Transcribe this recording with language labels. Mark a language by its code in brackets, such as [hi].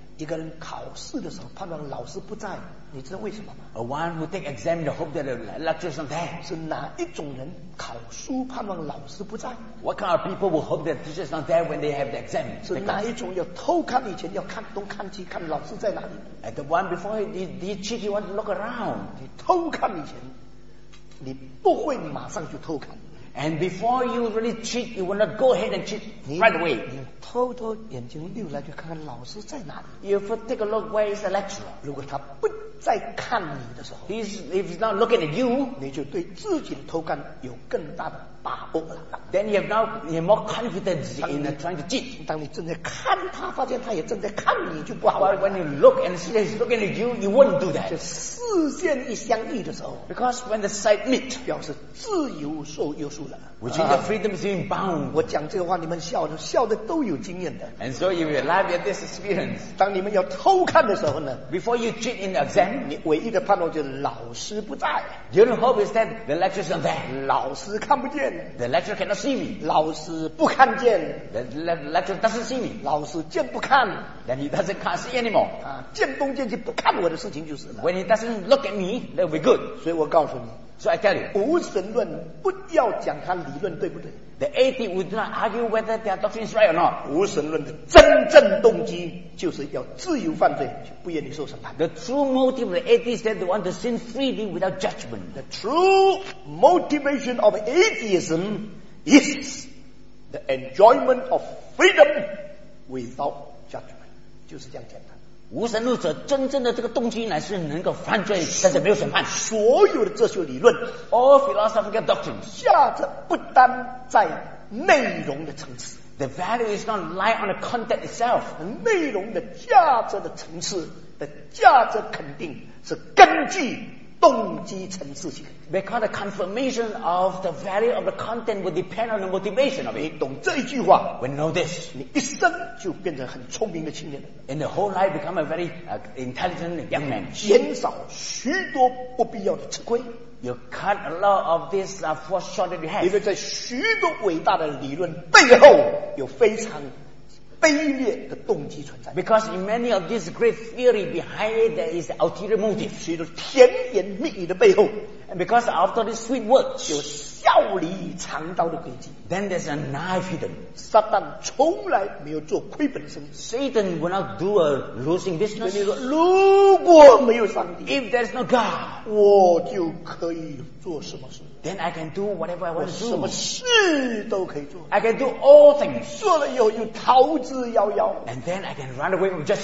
[zh] 一个人考试的时候判断老师不在，你知道为什么吗 [en] ？A one who take exam the hope that the lecture is not there. [zh] 是哪一种人考书判断老师不在 [en] ？What kind of people will hope that the teacher is not there when they have the exam? [zh] 是哪一种要偷看以前要看东看西看老师在哪里 [en] ？And the one before he cheat, he want to look around. [zh] 你偷看以前，你不会马上就偷看。 [en] And before you really cheat, you will not go ahead and cheat right away. [zh] 你偷偷眼睛溜来去看看老师在哪里。 [en] You first take a look where is the lecturer. [zh] 如果他不再看你的时候 [en] ，if he's not looking at you, [zh] 你就对自己的偷看有更大的把握了。 [en] Then you have now you're more confident in trying to cheat. [zh] 当你正在看他，发现他也正在看你，就不好。 [en] But when you look and see that he's looking at you, you won't do that. [zh] 就视线一相遇的时候 [en] ，because when the sight meet, [zh] 表示自由受约束。 [en] Which is the freedom is being bound. [zh] 我讲这个话，你们笑的，笑的都有经验的。 [en] And so you will laugh at this experience. [zh] 当你们要偷看的时候呢 [en] ？Before you cheat in the exam, [zh] 你唯一的盼望就是老师不在。 [en] Your hope is that the lecturer is not there. [zh] 老师看不见。 [en] The lecturer cannot see me. [zh] 老师不看见。 [en] The lecturer doesn't see me. [zh] 老师见不看。 [en] Then he doesn't can't see anymore. [zh] 啊，见东见西不看我的事情就是了。 [en] When he doesn't look at me, that will be good. [zh] 所以我告诉你。 [en] So I tell you, [zh] 无神论不要讲他理论对不对 [en] ？The atheist would not argue whether their doctrine is right or not. [zh] 无神论的真正动机就是要自由犯罪，不愿意受审判。 [en] The true motive of the atheist is that they want to sin freely without judgment. The true motivation of atheism is the enjoyment of freedom without judgment. [zh] 就是这样简单。无神论者真正的这个动机乃是能够犯罪，但是没有审判。所有的哲学理论 [en] ，all philosophical doctrines， [zh] 下着不单在内容的层次 [en] ，the value is not lie on the content itself， [zh] 内容的价值的层次的价值肯定是根据动机层次性。 [en] Because the confirmation of the value of the content will depend on the motivation of it. [zh] 你懂这一句话 [en] ，We know this. [zh] 你一生就变成很聪明的青年人。 [en] In the whole life, become a very intelligent young man. [zh] 减少许多不必要的吃亏。 [en] You cut a lot of this false short that you have. [zh] 因为在许多伟大的理论背后有非常卑劣的动机存在。 [en] Because in many of these great theory behind it, there is the ulterior motive. [zh] 许多甜言蜜语的背后。 [en] And because after these sweet words, [zh] 有笑里藏刀的诡计。 [en] Then there's a knife hidden. [zh] 撒旦从来没有做亏本的生意。 [en] Satan will not do a losing business. [zh] 说如果没有上帝 [en] ，If there's no God， [zh] 我就可以做什么事。 [en] Then I can do whatever I want to do. [zh] 我什么事都可以做。 [en] I can do all things. [zh] 做了以后又逃之夭夭。 [en] And then I can run away from judgment.